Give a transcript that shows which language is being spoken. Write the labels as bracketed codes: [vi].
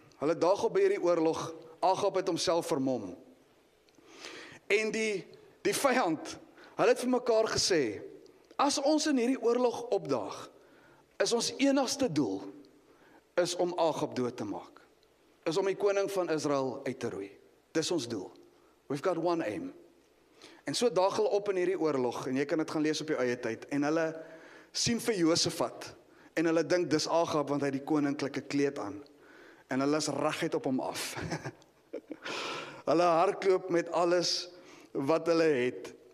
[af] Hulle daag op by hierdie oorlog, Agab het homself vermom. En die vyand, hulle het vir mekaar gesê, as ons in hierdie oorlog opdaag, is ons enigste doel, is om Agab dood te maak. Is om die koning van Israel uit te roei. Dis ons doel. [en] We've got one aim. [af] En so daag hulle op in hierdie oorlog, en jy kan dit gaan lees op jou eie tyd, en hulle sien vir Josafat, en hulle dink dis Agab, want hy het die koninklike kleed aan. En hulle is reguit op hom af. Hulle hardloop met alles wat hulle het.